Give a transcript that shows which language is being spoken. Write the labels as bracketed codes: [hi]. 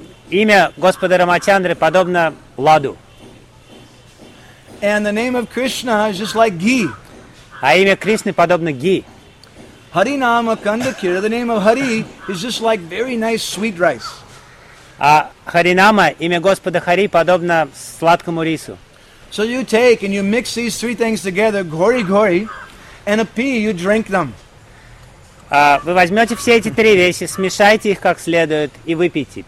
[ru] Имя Господа Рамачандры подобно ладу. [en] And the name of Krishna is just like ghee. [ru] А имя Кришны подобно ги. [en] Hari Nama Kandakira, the name of Hari, is just like very nice sweet rice. [ru] А Hari Nama, имя Господа Хари, подобно сладкому рису. [en] So you take and you mix these three things together, gori gori, and a pea, you drink them. [ru] Вы возьмете все эти три вещи, смешайте их как следует и выпейте.